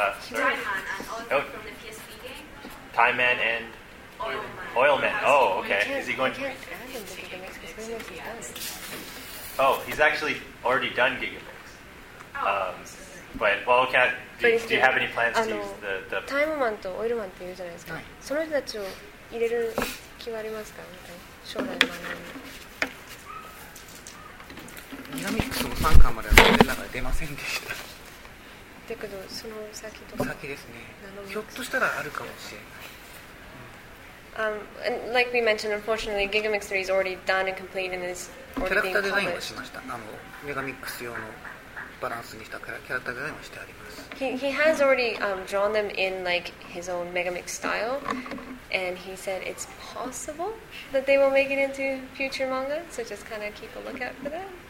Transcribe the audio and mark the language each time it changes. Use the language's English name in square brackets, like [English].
[English] Diamond and Oilman from the PSP game? Diamond and Oilman. Oh, okay. Is he going to add him to Giga Mix? Oh, he's actually already done Giga Mix. Oh. But, well, okay, do you have any plans to use the [Japanese] タイムマンとオイルマンって言うじゃないですか、はい、その人たちを入れる気はありますか、みたいな将来番組にミラミックスの3巻までは残念ながら出ませんでしただけどその先とか先ですねひょっとしたらあるかもしれない、 [English] and like we mentioned, unfortunately Gigamix 3 is already done and complete and is [Japanese] キャラクターデザインをしましたあのメガミックス用のバランスにしたキャラクターデザインをしてあります。 [English] He has already drawn them in like his own Megamix style, and he said it's possible that they will make it into future manga. So just kind of keep a lookout for that.